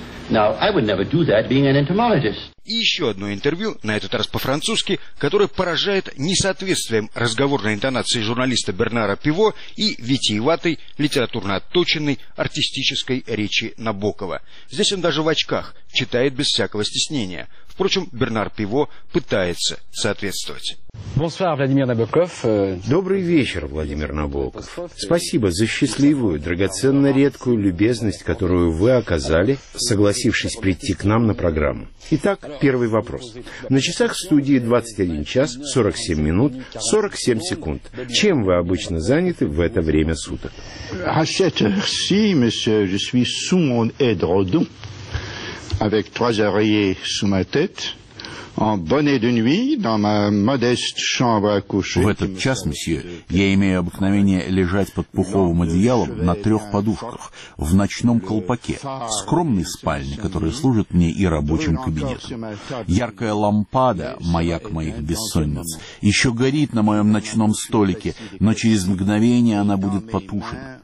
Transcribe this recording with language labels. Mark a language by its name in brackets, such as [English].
[English] Now, I would never do that, being an entomologist. [Russian] и еще одно интервью, на этот раз по-французски, которое поражает несоответствием разговорной интонации журналиста Бернара Пиво и витиеватой, литературно отточенной, артистической речи Набокова. Здесь он даже в очках читает без всякого стеснения. Впрочем, Бернар Пиво пытается соответствовать. Добрый вечер, Владимир Набоков. Спасибо за счастливую, драгоценно редкую любезность, которую вы оказали, согласившись прийти к нам на программу. Итак, первый вопрос. На часах в студии 21 час 47 минут 47 секунд. Чем вы обычно заняты в это время суток? [French] А cette heure-ci, monsieur, je suis sous mon aide-redou. Avec trois oreillers sous ma tête, en bonnet de nuit, dans ma modeste chambre à coucher. [Russian] В этот час, месье, я имею обыкновение лежать под пуховым одеялом на трех подушках, в ночном колпаке, в скромной спальне, которая служит мне и рабочим кабинетом. Яркая лампада, маяк моих бессонниц, еще горит на моем ночном столике, но через мгновение она будет потушена.